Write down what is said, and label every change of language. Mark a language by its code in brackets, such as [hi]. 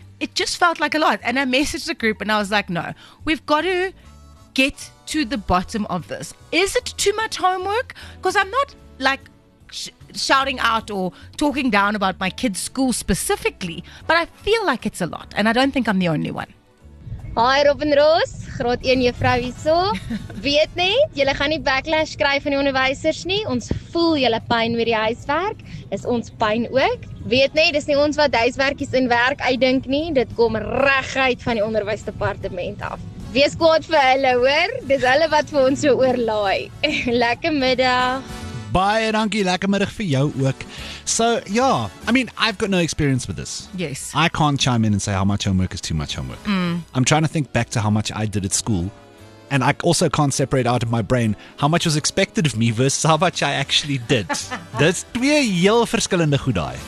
[en] It just felt like a lot. And I messaged the group and I was like, no, we've got to get to the bottom of this. Is it too much homework? Because I'm not like shouting out or talking down about my kids' school specifically, but I feel like it's a lot. And I don't think I'm the only one. [af] Hi, Robin Roos, Groot 1 juffrou hierso. Weet net, julle gaan nie backlash kry van die onderwysers nie. Ons voel julle pyn met die huiswerk. Is ons pyn ook. Weet net, dis nie ons wat huiswerkies in werk uitdink nie. Dit kom reguit van die onderwysdepartement af. Wees kwaad vir hulle, hoor. Dis hulle wat vir ons so oorlaai. Lekker middag. Baie dankie, lekker middag vir jou ook. [en] So, yeah, I mean, I've got no experience with this. Yes. I can't chime in and say how much homework is too much homework. Mm. I'm trying to think back to how much I did at school. And I also can't separate out of my brain how much was expected of me versus how much I actually did. [af] Dis twee heel verskillende goed daai.